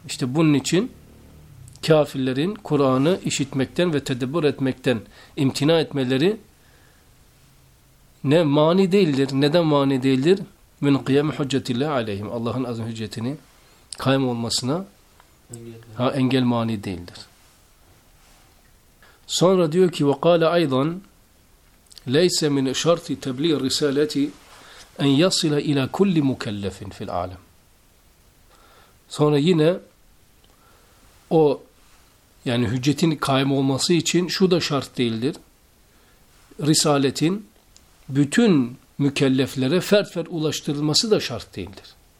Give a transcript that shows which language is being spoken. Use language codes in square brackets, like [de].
[tr] İşte bunun için kafirlerin Kur'an'ı işitmekten ve tedabbur etmekten imtina etmeleri ne mani değildir, ne de mani değildir. [ar] مِنْ قِيَامِ حُجَّةِ اللّٰهِ عَلَيْهِمْ. [tr] Allah'ın azim hüccetini kaym olmasına engel mani değildir. Sonra diyor ki [ar] وَقَالَ اَيْضًا لَيْسَ مِنْ شَرْتِ تَبْلِيَ الرِّسَالَةِ اَنْ يَصِلَ اِلَى كُلِّ مُكَلَّفٍ فِي الْعَالَمِ. [tr] Sonra yine o yani hüccetin kaim olması için şu da şart değildir. Risaletin bütün mükelleflere fert fert ulaştırılması da şart değildir.